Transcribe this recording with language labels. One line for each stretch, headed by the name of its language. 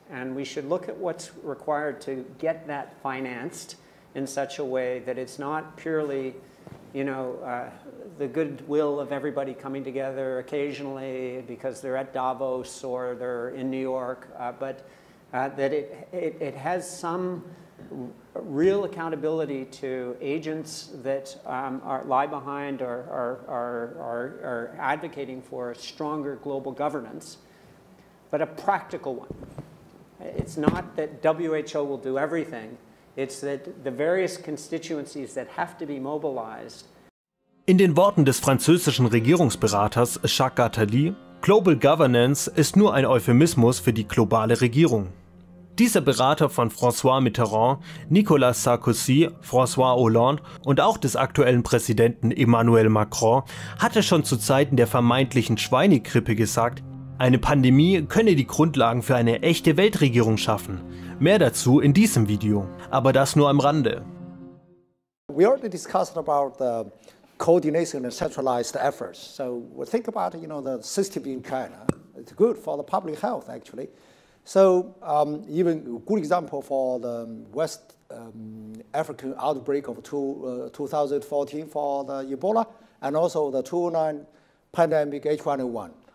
English: And we should look at what's required to get that financed in such a way that it's not purely, you know, the goodwill of everybody coming together occasionally because they're at Davos or they're in New York, but that it has some real accountability to agents that lie behind or are advocating for stronger global governance. But a practical one. It's not that WHO will do everything, it's that the various constituencies that have to be mobilized.
German: In den Worten des französischen Regierungsberaters Jacques Gattali, Global Governance ist nur ein Euphemismus für die globale Regierung. Dieser Berater von François Mitterrand, Nicolas Sarkozy, François Hollande und auch des aktuellen Präsidenten Emmanuel Macron hatte schon zu Zeiten der vermeintlichen Schweinegrippe gesagt, eine Pandemie könne die Grundlagen für eine echte Weltregierung schaffen. Mehr dazu in diesem Video, aber das nur am Rande.
English: We already discussed about the coordination and centralized efforts. So we think about, you know, the system in China. It's good for the public health, actually. So even good example for the West African outbreak of 2014 for the Ebola and also the 2009 pandemic H1N1.